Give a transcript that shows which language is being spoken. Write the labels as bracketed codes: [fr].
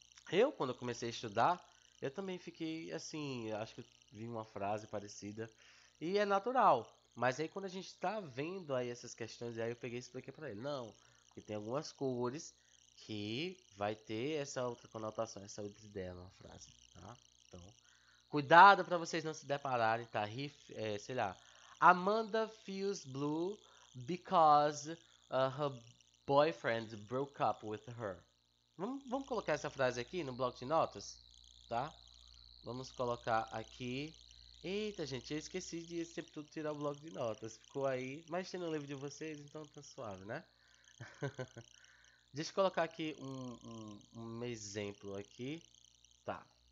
[pt] Eu, quando comecei a estudar, eu também fiquei assim, acho que vi uma frase parecida. E é natural. Mas aí quando a gente tá vendo aí essas questões, aí eu peguei e expliquei pra ele. Não, porque tem algumas cores que vai ter essa outra conotação, essa outra ideia na frase, tá? Então, cuidado para vocês não se depararem, tá? Sei lá. [en] Amanda feels blue because her boyfriend broke up with her. [pt] Vamos colocar essa frase aqui no bloco de notas, tá? Vamos colocar aqui. Eita, gente, eu esqueci de sempre tudo tirar o bloco de notas. Ficou aí, mas tem no livro de vocês, então tá suave, né? Deixa eu colocar aqui um exemplo aqui. Tá.